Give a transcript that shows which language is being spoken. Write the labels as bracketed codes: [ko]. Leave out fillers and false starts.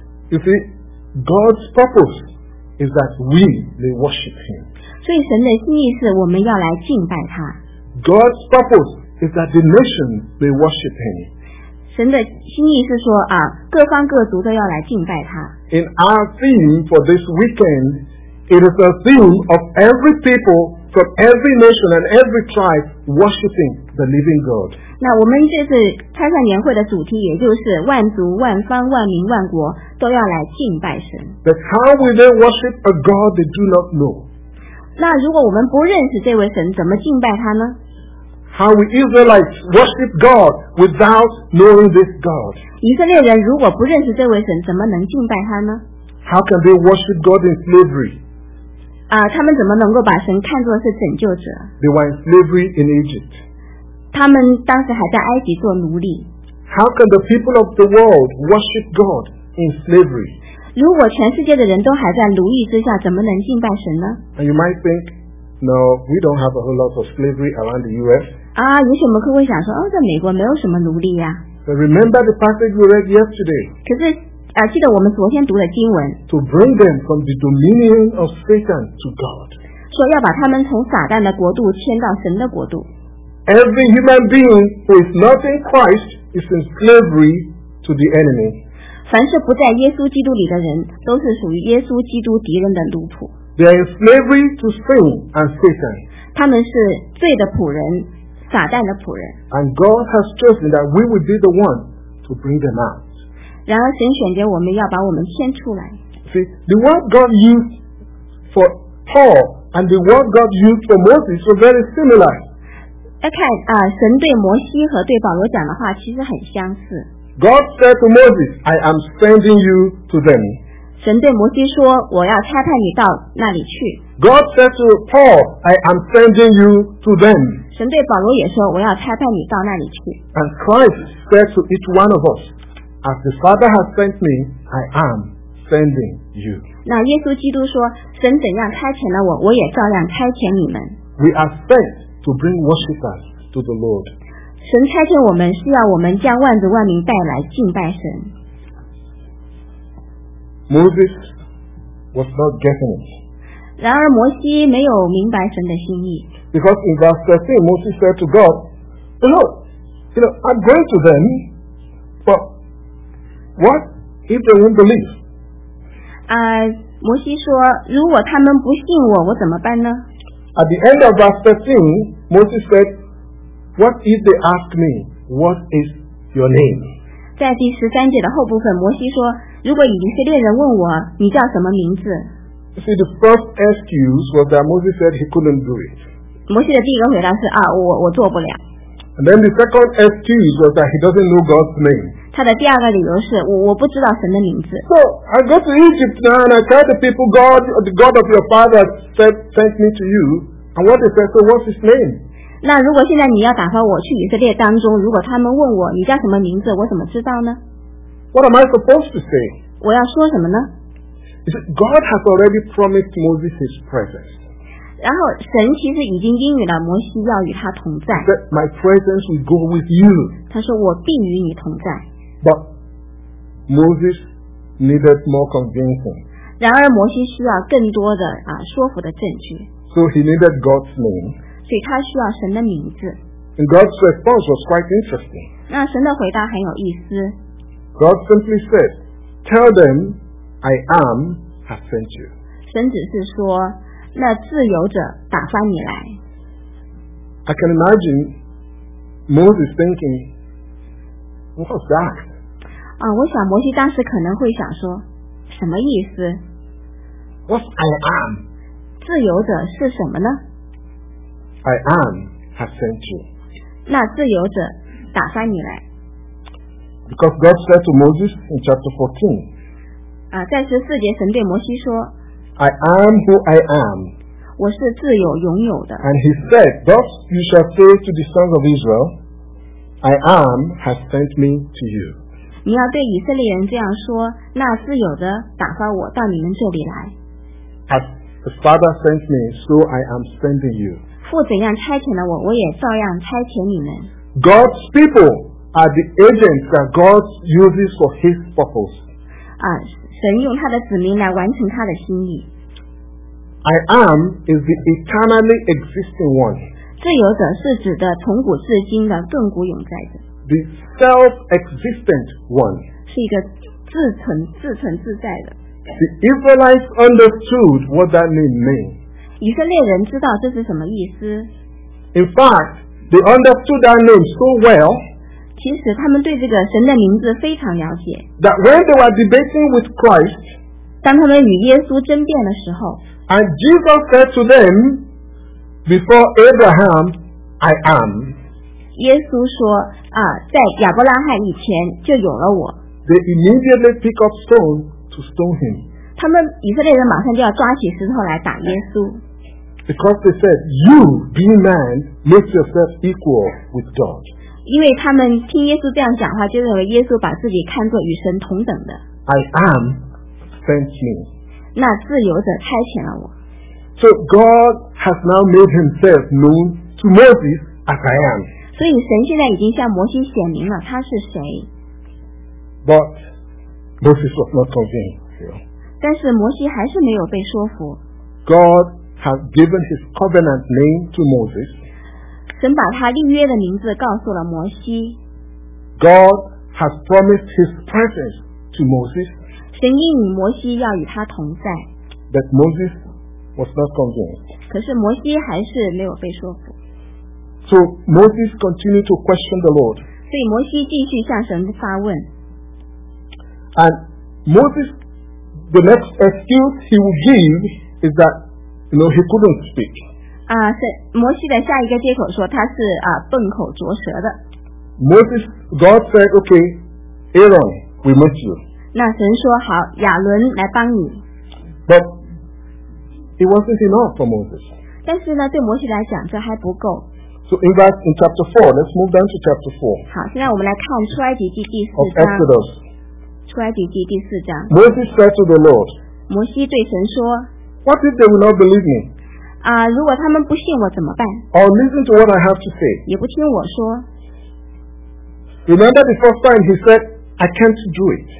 [en] You see, God's purpose is that we may worship Him. [zh] 所以神的心意是我们要来敬拜他。 [en] God's purpose is that the nation may worship Him. [zh] 神的心意是说啊，各方各族都要来敬拜他。 [en] In our theme for this weekend, it is a theme of every people from every nation and every tribe worshiping the living God. [zh] 那我们这次参赛年会的主题也就是万族万方万民万国都要来敬拜神。 [en] But how will they worship a God they do not know? [zh] 那如果我们不认识这位神，怎么敬拜他呢？ [en] How will Israelites worship God without knowing this God? [zh] 以色列人如果不认识这位神，怎么能敬拜他呢？ [en] How can they worship God in slavery? [zh] 他们怎么能够把神看作是拯救者？ [en] They were in slavery in Egypt. [zh] 他们当时还在埃及做奴隶。 [en] How can the people of the world worship God in slavery? [zh] 如果全世界的人都还在奴役之下，怎么能敬拜神呢？ [en] And you might think, no, we don't have a whole lot of slavery around the U.S. [zh] 也许我们会想说，在美国没有什么奴隶啊。 [en] But remember the passage we read yesterday. [zh] 可是记得我们昨天读的经文。 [en] To bring them from the dominion of Satan to God. [zh] 说要把他们从撒旦的国度迁到神的国度。 [en] Every human being who is not in Christ is in slavery to the enemy. [zh] 凡是不在耶稣基督里的人，都是属于耶稣基督敌人的奴仆。 [en] They are in slavery to sin and Satan. [zh] 他们是罪的仆人，撒旦的仆人。 [en] And God has chosen that we would be the one to bring them out. [zh] 然而神选择我们要把我们牵出来。 [en] See, the word God used for Paul and the word God used for Moses were very similar. [zh] 看神对摩西和对保罗讲的话其实很相似。 [en] God said to Moses, "I am sending you to them." [zh] 神对摩西说我要差派你到那里去。 [en] God said to Paul, "I am sending you to them." [zh] 神对保罗也说我要差派你到那里去。 [en] And Christ said to each one of us,As the Father has sent me, I am sending you. [zh] 那耶稣基督说，神怎样差遣了我，我也照样差遣你们。 [en] We are sent to bring worshippers to the Lord. [zh] 神差遣我们是要我们将万族万民带来敬拜神。 [en] Moses was not getting it. [zh] 然而摩西没有明白神的心意。 [en] Because in verse 13, Moses said to God, "Look, I'm going to them, but." What if they won't believe? [zh] 摩西说，如果他们不信我，我怎么办呢？ [en] At the end of verse 13, Moses said, "What if they ask me, 'What is your name?'" [zh] 在第十三节的后部分，摩西说，如果以色列人问我，你叫什么名字？ [en] You see, the first excuse was that Moses said he couldn't do it. [zh] 摩西的第一个回答是我做不了。 [en] And then the second excuse was that he doesn't know God's name. [zh] 他的第二个理由是我不知道神的名字。 [en] So I go to Egypt now and I tell the people God, the God of your father sent me to you. And what they said, so what's his name? [zh] 那如果现在你要打发我去以色列当中，如果他们问我你叫什么名字，我怎么知道呢？ [en] What am I supposed to say? [zh] 我要说什么呢？ [en] God has already promised Moses his presence. [zh] 然后神其实已经应允了摩西要与他同在。 [en] That my presence will go with you. [zh] 他说我必与你同在。 [en] But Moses needed more convincing. [zh] 然而摩西需要更多的啊说服的证据。 [en] So he needed God's name. [zh] 所以他需要神的名字。 [en] And God's response was quite interesting. [zh] 那神的回答很有意思。 [en] God simply said, Tell them I am have sent you. [zh] 神只是说那自由者打发你来。 [en] I can imagine Moses thinking, What's that? [zh] 我想摩西当时可能会想说什么意思？ [en] What's I am? [zh] 自由者是什么呢？ [en] I am have sent you. [zh] 那自由者打发你来。 [en] Because God said to Moses in chapter 14. [zh] 在十四节神对摩西说。 [en] I am who I am. [zh] 我是自由拥有的。 [en] And he said, Thus you shall say to the sons of Israel, I am have sent me to you. [zh] 你要对以色列人这样说，那自由的打发我到你们这里来。 [en] As the Father sent me, so I am sending you. [zh] 父怎样差遣了我，我也照样差遣你们。 [en] God's people are the agents that God uses for His purpose. [zh] 神用他的子民来完成他的心意。 [en] I am is the eternally existing one. [zh] 自由者是指的从古至今的亘古永在者。 [en] The self-existent one. [zh] 是一个自存自在的。 [en] The Israelites understood what that name means. [zh] 以色列人知道这是什么意思。 [en] In fact, they understood that name so well. [zh] 其实他们对这个神的名字非常了解。 [en] That when they were debating with Christ, [zh] 当他们与耶稣争辩的时候 [en] ，And Jesus said to them, "Before Abraham, I am." [zh] 耶稣说啊，在亚伯拉罕以前就有了我。 [en] They immediately pick up stone to stone him. [zh] 他们以色列人马上就要抓起石头来打耶稣。 [en] Because they said, "You, being man, make yourself equal with God." [zh] 因为他们听耶稣这样讲话，就认为耶稣把自己看作与神同等的。 [en] I am sent me. [zh] 那自由者差遣了我。 [en] So God has now made Himself known to Moses as I am. [zh] 所以神现在已经向摩西显明了他是谁。 [en] But Moses was not convinced. [zh] 但是摩西还是没有被说服。 [en] God has given his covenant name to Moses. [zh] 神把他立约的名字告诉了摩西。 [en] God has promised his presence to Moses. [zh] 神应与摩西要与他同在。 [en] But Moses was not convinced. [zh] 可是摩西还是没有被说服。 [en] So Moses continued to question the Lord. [zh] 所以摩西继续向神发问。 [en] And Moses. The next excuse he would give is that, you know, he couldn't speak. [zh] 摩西的下一个借口说他是笨口拙舌的。 [en] Moses, God said, okay, Aaron, we met you. [zh] 那神说好，亚伦来帮你。 [en] But it wasn't enough for Moses. [zh] 但是呢，对摩西来讲这还不够。 [en] So in fact, in chapter 4, let's move down to chapter 4. [zh] 好，现在我们来看出埃及记第四章。 [en] Of Exodus. [zh] 出埃及记第四章。 [en] Moses said to the Lord, [zh] 摩西对神说 [en] What if they will not believe me? [zh] 如果他们不信我怎么办？ [en] Or listen to what I have to say. [zh] 也不听我说。 [en] Remember the first time he said, I can't do it.